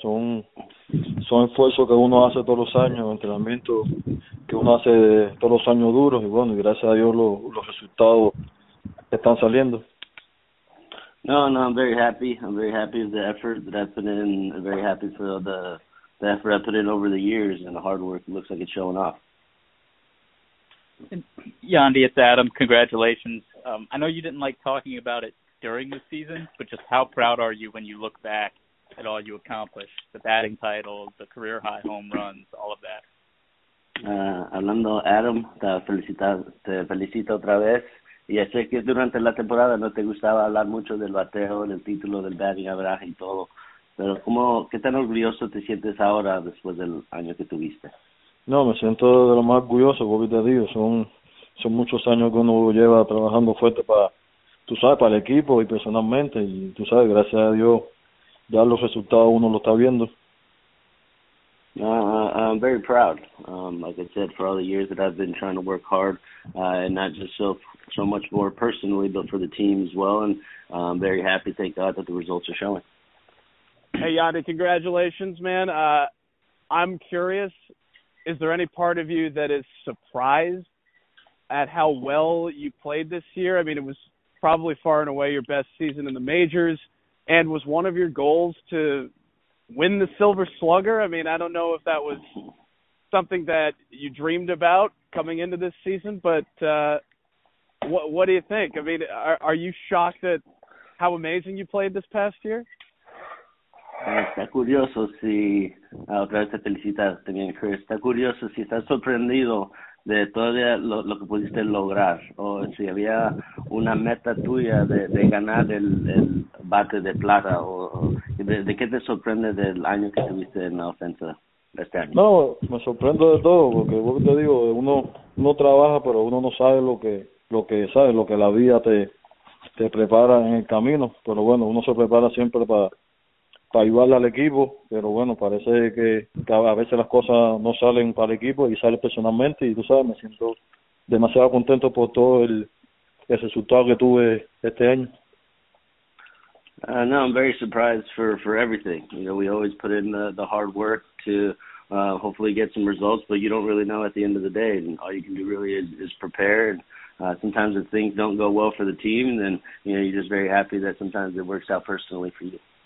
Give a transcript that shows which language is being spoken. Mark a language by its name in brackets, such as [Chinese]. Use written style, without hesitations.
[Spanish] Son esfuerzos que uno hace todos los años, entrenamiento que uno hace todos los años duros, y bueno, y gracias a Dios los resultados están saliendo. [English] No, I'm very happy. I'm very happy with the effort that I've put in. I'm very happy for the effort I put in over the years, and the hard work looks like it's showing off. Yandy, it's Adam. Congratulations. I know you didn't like talking about it during the season, but just how proud are you when you look back at all you accomplished, the batting title, the career-high home runs, all of that? [Spanish] Hablando, Adam, te felicito otra vez. Y sé que durante la temporada no te gustaba hablar mucho del bateo, del título, del batting average y todo. Pero ¿cómo, qué tan orgulloso te sientes ahora después del año que tuviste? No, me siento de lo más orgulloso, porque te digo, son muchos años que uno lleva trabajando fuerte para, tú sabes, para el equipo y personalmente. Y tú sabes, gracias a Dios, ya los resultados uno lo está viendo. [English] I'm very proud, like I said, for all the years that I've been trying to work hard, and not just so much more personally, but for the team as well, and I'm very happy, thank God, that the results are showing. Hey, Yandy, congratulations, man. I'm curious, is there any part of you that is surprised at how well you played this year? I mean, it was probably far and away your best season in the majors, and was one of your goals to win the Silver Slugger? I mean, I don't know if that was something that you dreamed about coming into this season, but what do you think? I mean, are you shocked at how amazing you played this past year? [Spanish] Está curioso si, otra vez te felicita también, Chris. Está curioso si estás sorprendido de todo lo que pudiste lograr, o si había una meta tuya de ganar el bate de plata, o ¿de qué te sorprende del año que tuviste en la ofensa este año? No, me sorprendo de todo, porque como te digo, uno trabaja, pero uno no sabe lo que sabe, lo que la vida te prepara en el camino, pero bueno, uno se prepara siempre para ayudarle al equipo, pero bueno, parece que a veces las cosas no salen para el equipo y salen personalmente, y tú sabes, me siento demasiado contento por todo el resultado que tuve este año. [English] No, I'm very surprised for everything. You know, we always put in the hard work to hopefully get some results, but you don't really know at the end of the day, and all you can do really is prepare. And sometimes if things don't go well for the team, then you know, you're just very happy that sometimes it works out personally for you.